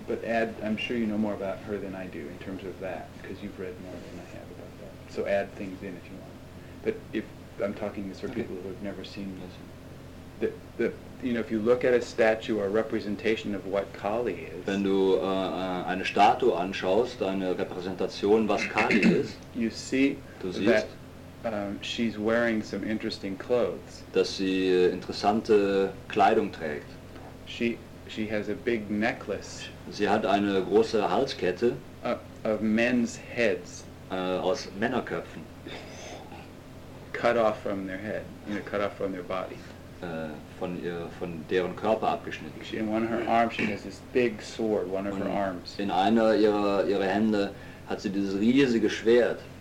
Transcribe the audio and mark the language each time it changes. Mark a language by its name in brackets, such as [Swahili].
[English] But Ad, I'm sure you know more about her than I do in terms of that, because you've read more than I have about that. So add things in if you want. But if I'm talking this for people who have never seen this. you know, if you look at a statue or a representation of what Kali is, [German] wenn du eine Statue anschaust, eine Repräsentation, was Kali ist, [English] you see that she's wearing some interesting clothes. [German] Dass sie interessante Kleidung trägt. [English] She has a big necklace. [German] Sie hat eine große Halskette. [English] Of men's heads. [German] Aus Männerköpfen. [English] Cut off from their head, you know, cut off from their body. [German] Von deren Körper abgeschnitten. [English] In one of her arms, she has this big sword. One of her arms. [German] In einer ihrer Hände hat sie dieses riesige Schwert.